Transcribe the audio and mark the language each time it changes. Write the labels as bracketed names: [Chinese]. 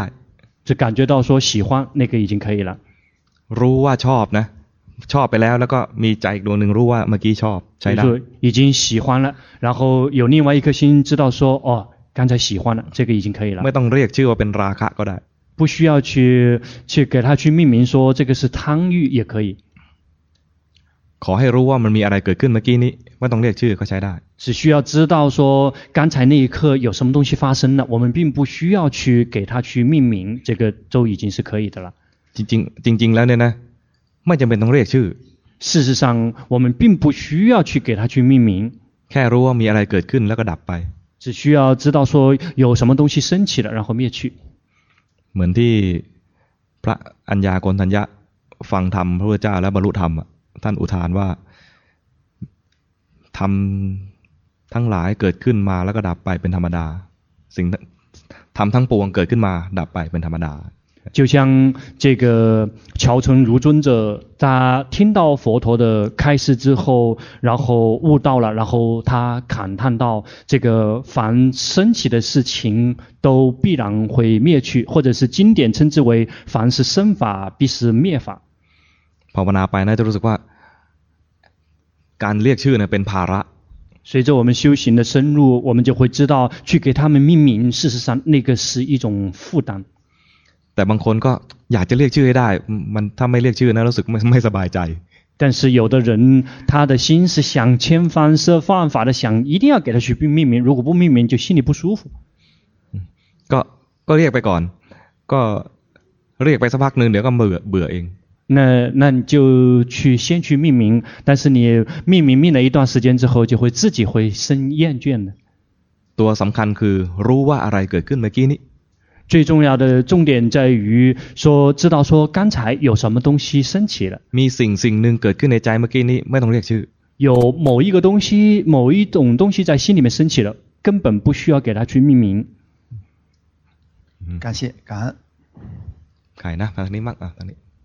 [Chinese] 就感觉到说喜欢那个已经可以了 [Thai] รู้ว่าชอบนะชอบไปแล้วแล้วก็มีใจอีกดวงนึงรู้ว่าเมื่อกี้ชอบใช่ไหม คือ [Chinese] 已经喜欢了然后有另外一颗心知道说哦刚才喜欢了这个已经可以了 [Thai] ไม่ต้องเรียกชื่อว่าเป็นราคะก็ได้ [Chinese] 不需要去给他去命名说这个是贪欲也可以 [Thai] ขอให้รู้ว่ามันมีอะไรเกิดขึ้นเมื่อกี้นี้ไม่ต้องเรียกชื่อก็ใช้ได้ [Chinese] 只需要知道说刚才那一刻有什么东西发生了我们并不需要去给它去命名这个就已经是可以的了 [Thai] จริงจริงจริงแล้วเนี่ยนะไม่จำเป็นต้องเรียกชื่อ [Chinese] 事实上我们并不需要去给它去命名 [Thai] แค่รู้ว่ามีอะไรเกิดขึ้นแล้วก็ดับไป [Chinese] 只需要知道说有什么东西升起了然后灭去 [Thai] เหมือนที่พระอัญญาโกณฑัญญะฟังธรรมพระพุทธเจ้าแล้วบรรลุธรรมท่านอุทานว่าธรรมทั้งหลายเกิดขึ้นมาแล้วก็ดับไปเป็นธรรมดาสิ่งธรรมทั้งปวงเกิดขึ้นมาดับไปเป็นธรรมดา [Chinese] 就像这个乔成如尊者他听到佛陀的开示之后然后悟到了然后他感叹到这个凡升起的事情都必然会灭去或者是经典称之为凡是生法必是灭法 [Thai] ภาวนาไปนะจะรู้สึกว่าการเรียกชื่อเนี่ยเป็นภาระ [Chinese] 随着我们修行的深入我们就会知道去给他们命名事实上那个是一种负担 [Thai] แต่บางคนก็อยากจะเรียกชื่อให้ได้มันถ้าไม่เรียกชื่อนะรู้สึกไม่สบายใจ [Chinese] 但是有的人他的心是想千方设方法的想一定要给他去命名如果不命名就心里不舒服 [Thai] ก็เรียกไปก่อนก็เรียกไปสักพักนึงเดี๋ยวก็เบื่อเอง [Chinese] 那你就去先去命名但是你命名命了一段时间之后就会自己会生厌倦的 [Thai] ตัวสำคัญคือรู้ว่าอะไรเกิดขึ้นเมื่อกี้นี้ [Chinese] 最重要的重点在于说知道说刚才有什么东西升起了 [Thai] มีสิ่งหนึ่งเกิดขึ้นในใจเมื่อกี้นี้ไม่ต้องเรียกชื่อ [Chinese] 有某一个东西某一种东西在心里面升起了根本不需要给它去命名感谢感恩 [Thai] ใครนะทางนี้มั่งทางนี้